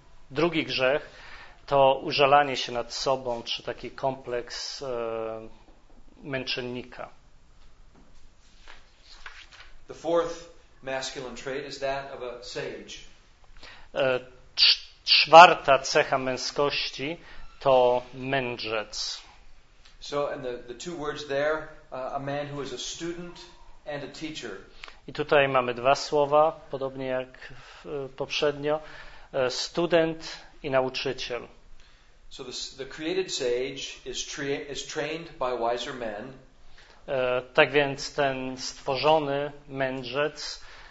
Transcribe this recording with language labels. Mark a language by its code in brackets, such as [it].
[pl] Drugi grzech to użalanie się nad sobą, czy taki kompleks męczennika. [en] The fourth masculine trait is that of a sage. [pl] Czwarta cecha męskości to mędrzec. [en] So and the two words there, a man who is a student and a teacher. [pl] I tutaj mamy dwa słowa, podobnie jak poprzednio. Student i nauczyciel. [en] So the created sage is trained by wiser men. [pl] Tak więc ten stworzony mędrzec